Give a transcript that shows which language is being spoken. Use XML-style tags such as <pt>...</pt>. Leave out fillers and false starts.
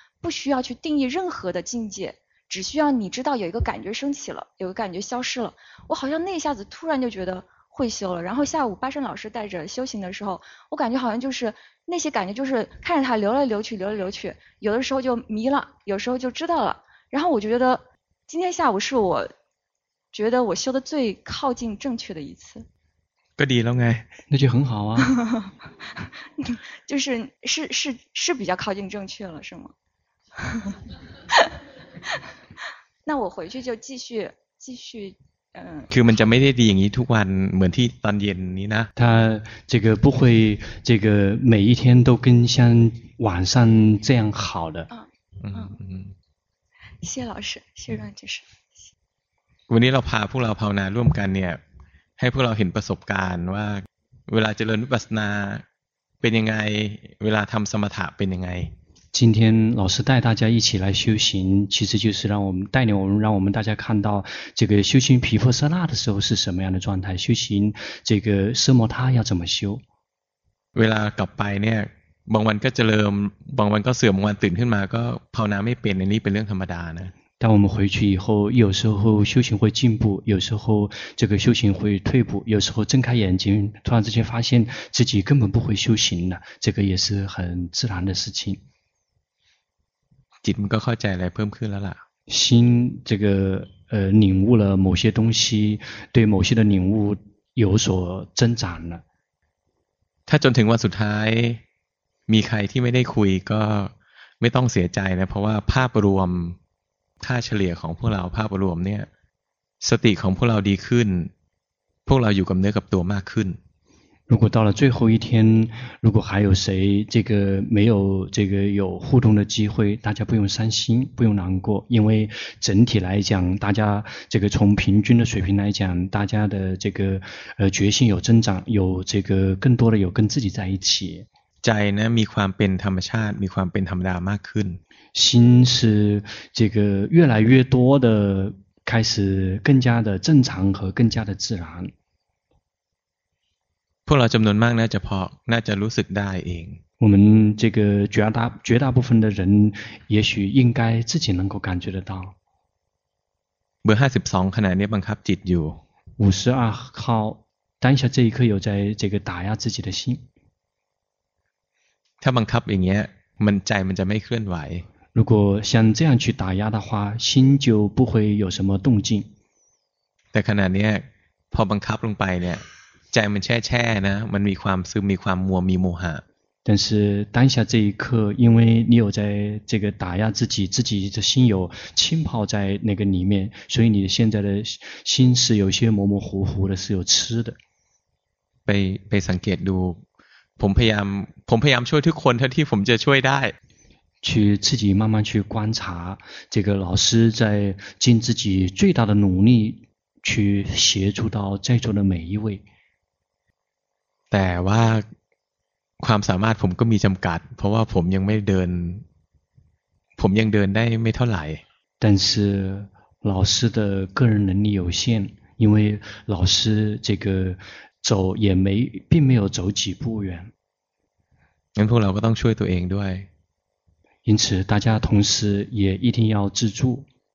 <zh>不需要去定义任何的境界只需要你知道有一个感觉升起了有个感觉消失了我好像那一下子突然就觉得会修了然后下午巴山老师带着修行的时候我感觉好像就是那些感觉就是看着它流来流去流来流去有的时候就迷了有时候就知道了然后我就觉得今天下午是我觉得我修的最靠近正确的一次</zh> <th>ก็ดีแล้วไง</th> <zh>那就很好啊就是是比较靠近正确了是吗那我回去就继续</zh> <th>คือมันจะไม่ได้ดีอย่างนี้ทุกวันเหมือนที่ตอนเย็นนี้นะ</th> <zh>他这个不会这个每一天都跟像晚上这样好的嗯嗯谢老师谢谢老师</zh> <th>วันนี้เราพาพวกเราภาวนาร่วมกันเนี่ยให้พวกเราเห็นประสบการณ์ว่าเวลาเจริญวิปัสสนาเป็นยังไงเวลาทำสมถะเป็นยังไง</th> <zh>今天老师带大家一起来修行，其实就是让我们带领我们，让我们大家看到这个修行毗婆舍那的时候是什么样的状态，修行这个奢摩他要怎么修。</zh> <th>เวลากลับไปเนี่ย บางวันก็เจริญ บางวันก็เสื่อม บางวันตื่นขึ้นมาก็ภาวนาไม่เป็น อันนี้เป็นเรื่องธรรมดานะ。</th> <zh>当我们回去以后，有时候修行会进步，有时候这个修行会退步，有时候睁开眼睛，突然之间发现自己根本不会修行了，这个也是很自然的事情。</zh> <th>จิตมันก็เข้าใจอะไรเพิ่มขึ้นแล้วล่ะ</th> <zh>心这个领悟了某些东西对某些的领悟有所增长了</zh> <th>ถ้าจนถึงวันสุดท้ายมีใครที่ไม่ได้คุยก็ไม่ต้องเสียใจนะเพราะว่าภาพรวมค่าเฉลี่ยของพวกเราภาพรวมเนี่ยสติของพวกเราดีขึ้นพวกเราอยู่กับเนื้อกับตัวมากขึ้น</th> <zh>如果到了最后一天，如果还有谁这个没有这个有互动的机会，大家不用伤心，不用难过，因为整体来讲，大家这个从平均的水平来讲，大家的这个决心有增长，有这个更多的有跟自己在一起。在呢，</zh> <th>มีความเป็นธรรมชาติ，มีความเป็นธรรมดามากขึ้น。</th> <zh>心是这个越来越多的开始更加的正常和更加的自然。</zh> <th>พวกเราจำนวนมากน่าจะพอน่าจะรู้สึกได้เอง</th> <zh>我们这个绝大部分的人也许应该自己能够感觉得到</zh> <th>เบอร์52ขณะนี้บังคับจิตอยู่</th> <zh>52号当下这一刻有在这个打压自己的心</zh> <th>ถ้าบังคับอย่างเงี้ยมันใจมันจะไม่เคลื่อนไหว</th> <zh>如果像这样去打压的话心就不会有什么动静</zh> <th>แต่ขณะนี้พอบังคับลงไปเนี่ยใจมันแช่ๆนะมันมีความซึมมีความมัวมีโมหะ</th> <zh>但是当下这一刻因为你有在这个打压自己的心有浸泡在那个里面所以你现在的心是有些模模糊糊的是有痴的</zh> <th>ไปสังเกตดูผมพยายามช่วยทุกคนเท่าที่ผมจะช่วยได้</th> <zh>去自己慢慢去观察这个老师在尽自己最大的努力去协助到在座的每一位</zh> <th>แต่ว่าความสามารถผมก็มีจำกัดเพราะว่าผมยังเดินได้ไม่เท่าไหร่</th> <zh>但是老师的个人能力有限因为老师这个走也没并没有走几步远</zh> <th>งั้นพวกเราก็ต้องช่วยตัวเองด้วย</th> <zh>因此大家同时也一定要自助</zh>